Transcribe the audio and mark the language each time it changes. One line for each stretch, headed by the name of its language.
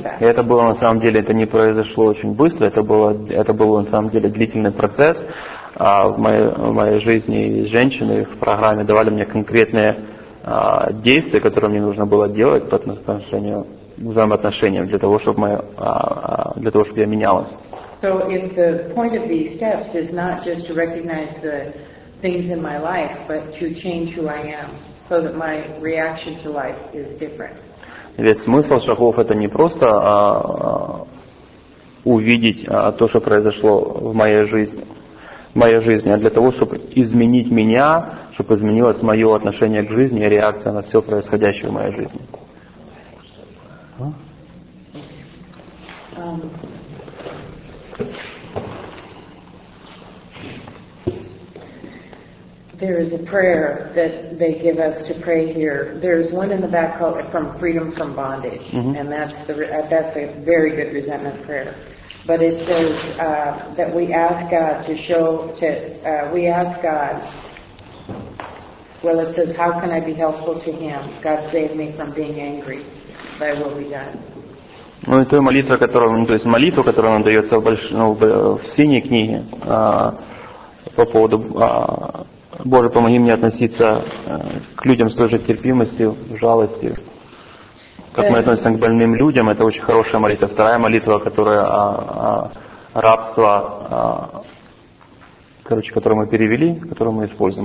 English: that.
Russian: Это было на самом деле, это не произошло очень быстро, это был на самом деле длительный процесс. В моей жизни женщины в программе давали мне конкретные действия, которые мне нужно было делать по отношению к взаимоотношениям, для того, чтобы я менялась.
English: So if the point of these steps is not just to recognize the things in my life, but to change who I am, so that my reaction to life is different.
Russian: Весь смысл шагов это не просто увидеть то, что произошло в моей жизни, а для того, чтобы изменить меня, чтобы изменилось мое отношение к жизни и реакция на все происходящее в моей жизни.
English: There is a prayer that they give us to pray here. There is one in the back called "From Freedom from Bondage," mm-hmm. and that's a very good resentment prayer. But it says that we ask God to show to we ask God. Well, it says, "How can I be helpful to Him? God, save me from being angry. Thy will be done."
Russian: Ну и той молитва, которую, то есть молитва, которая нам дается в синей книге по поводу Боже, помоги мне относиться к людям с той же терпимостью, жалостью. Как мы относимся к больным людям, это очень хорошая молитва. Вторая молитва, которая рабство, короче, которую мы перевели, которую мы используем.